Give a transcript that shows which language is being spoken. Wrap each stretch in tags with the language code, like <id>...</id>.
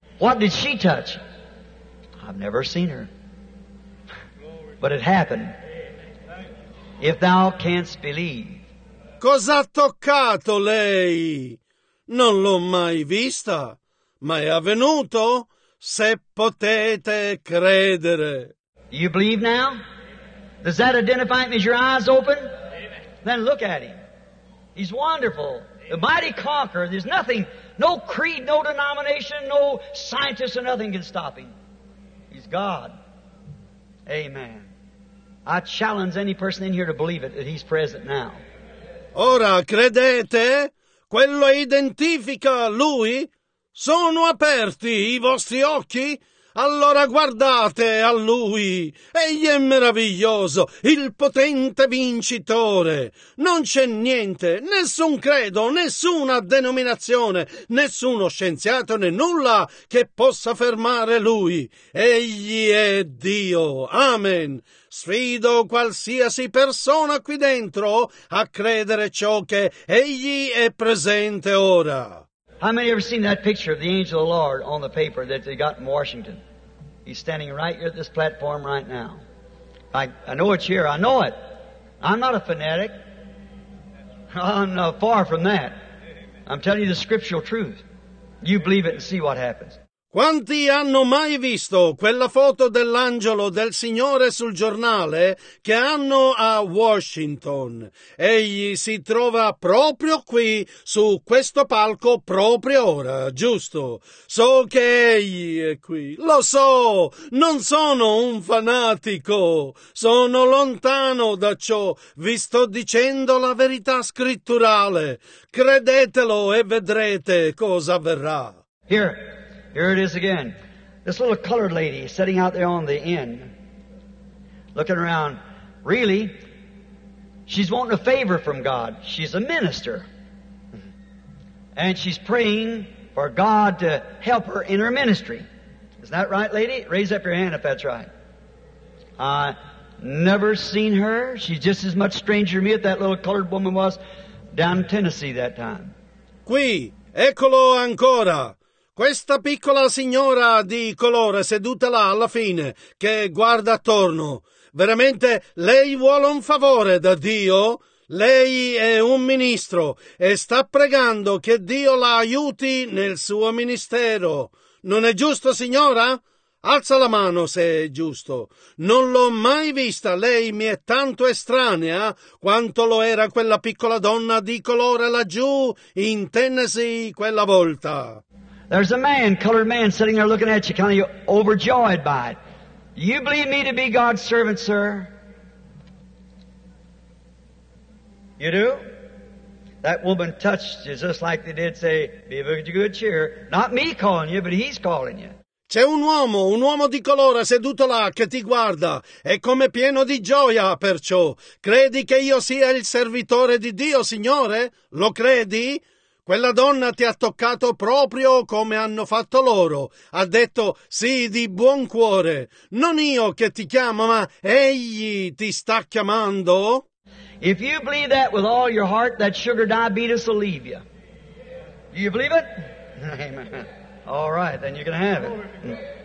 <en>What did she touch? I've never seen her. But it happened. If thou canst believe.</en> <it>Cos'ha toccato lei? Non l'ho mai vista, ma è avvenuto. Se potete credere.</it> <en>You believe now? Does that identify him as your eyes open? Amen. Then look at him. He's wonderful. The mighty conqueror. There's nothing, no creed, no denomination, no scientist, or nothing can stop him. He's God. Amen. I challenge any person in here to believe it, that he's present now.</en> <it>Ora credete? Quello identifica lui? Sono aperti i vostri occhi? Allora guardate a lui. Egli è meraviglioso, il potente vincitore. Non c'è niente, nessun credo, nessuna denominazione, nessuno scienziato né nulla che possa fermare lui. Egli è Dio. Amen. Sfido qualsiasi persona qui dentro a credere ciò che egli è presente ora.</it> <en>How many have ever seen that picture of the angel of the Lord on the paper that they got in Washington? He's standing right here at this platform right now. I know it's here. I know it. I'm not a fanatic. I'm far from that. I'm telling you the scriptural truth. You believe it and see what happens.</en> <it>Quanti hanno mai visto quella foto dell'angelo del Signore sul giornale che hanno a Washington? Egli si trova proprio qui, su questo palco, proprio ora, giusto? So che egli è qui. Lo so! Non sono un fanatico! Sono lontano da ciò. Vi sto dicendo la verità scritturale. Credetelo e vedrete cosa avverrà.</it> <en>Here. Here it is again. This little colored lady sitting out there on the end, looking around. Really, she's wanting a favor from God. She's a minister. And she's praying for God to help her in her ministry. Is that right, lady? Raise up your hand if that's right. I never seen her. She's just as much stranger to me as that little colored woman was down in Tennessee that time.</en> <it>qui, eccolo ancora. Questa piccola signora di colore seduta là alla fine, che guarda attorno. Veramente lei vuole un favore da Dio? Lei è un ministro e sta pregando che Dio la aiuti nel suo ministero. Non è giusto, signora? Alza la mano se è giusto. Non l'ho mai vista, lei mi è tanto estranea quanto lo era quella piccola donna di colore laggiù in Tennessee quella volta.</it> <en>There's a man, colored man, sitting there looking at you, kind of overjoyed by it. You believe me to be God's servant, sir? You do? That woman touched you just like they did say, be of good cheer. Not me calling you, but he's calling you.</en> <it>C'è un uomo di colore seduto là che ti guarda. È come pieno di gioia, perciò. Credi che io sia il servitore di Dio, signore? Lo credi? Quella donna ti ha toccato proprio come hanno fatto loro. Ha detto sì di buon cuore. Non io che ti chiamo, ma egli ti sta chiamando.</it> <en>If you believe that with all your heart, that sugar diabetes will leave you. You believe it? Amen. All right, then you can have it.</en>